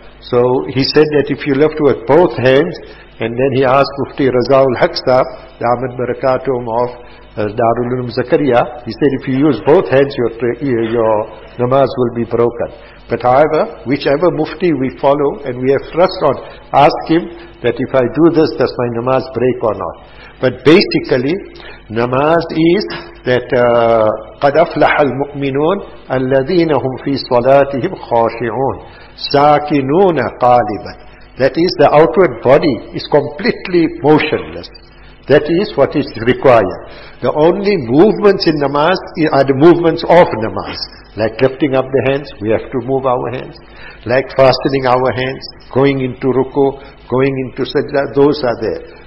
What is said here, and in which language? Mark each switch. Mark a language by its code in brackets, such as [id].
[en] So he said that if you lift with both hands, and then he asked Mufti Razaul Haqsa, the Ahmad Barakatum of Darul Ulum Zakaria, he said if you use both hands, your namaz will be broken. But however, whichever mufti we follow and we have trust on, ask him that if I do this, does my namaz break or not? But basically, namaz is that [ar] قَدْ أَفْلَحَ الْمُؤْمِنُونَ الَّذِينَ هُمْ فِي صَلَاتِهِمْ خَاشِعُونَ سَاكِنُونَ قَالِبًا. [en] That is, the outward body is completely motionless. That is what is required. The only movements in namaz are the movements of namaz. Like lifting up the hands, we have to move our hands. Like fastening our hands, going into ruku, going into sajda, those are there.